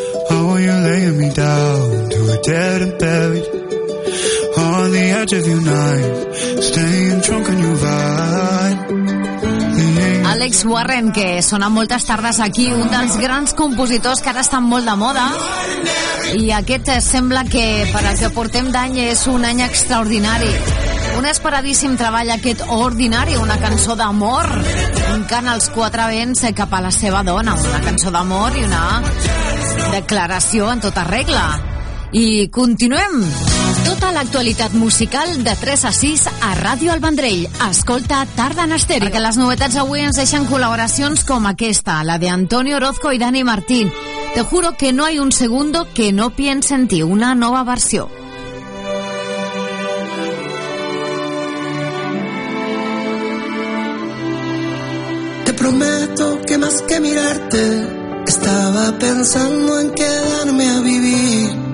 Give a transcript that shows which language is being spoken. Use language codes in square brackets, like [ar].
[en] Oh, you're laying me down to a dead and buried on the edge of your knife, staying drunk on your vine. [ca] Alex Warren, que sona moltes tardes aquí, un dels grans compositors que ara estan molt de moda. I aquest sembla que, per al que portem d'any, és un any extraordinari. Un esperadíssim treball, aquest Ordinari, una cançó d'amor, tancant els quatre vents cap a la seva dona. Una cançó d'amor i una declaració en tota regla. I continuem. Tota l'actualitat musical de 3 a 6 a Ràdio El Vendrell. Escolta Tarda en Estèreo. Perquè les novetats avui ens deixen col·laboracions com aquesta, la de Antonio Orozco i Dani Martín. [es] Te juro que no hay un segundo que no piense en ti. [ca] Una nova versió. [es] Te prometo que más que mirarte estaba pensando en quedarme a vivir.